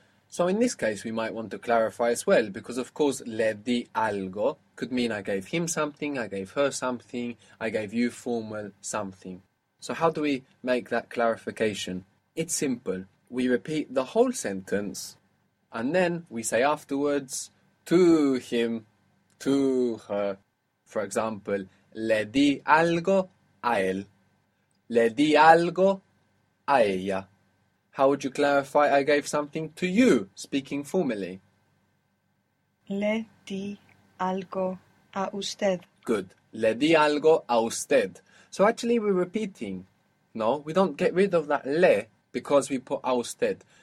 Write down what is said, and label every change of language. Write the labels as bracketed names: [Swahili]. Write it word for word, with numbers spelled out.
[English] So in this case, we might want to clarify as well, because of course, [Spanish] le di algo [English] could mean I gave him something, I gave her something, I gave you formal something. So how do we make that clarification? It's simple. We repeat the whole sentence, and then we say afterwards, to him, to her. For example, [Spanish] le di algo a él. Le di algo a ella. [English] How would you clarify I gave something to you, speaking formally? [Spanish] Le di algo a usted. [English] Good. [Spanish] Le di algo a usted. [English] So actually we're repeating. No, we don't get rid of that le because we put a usted.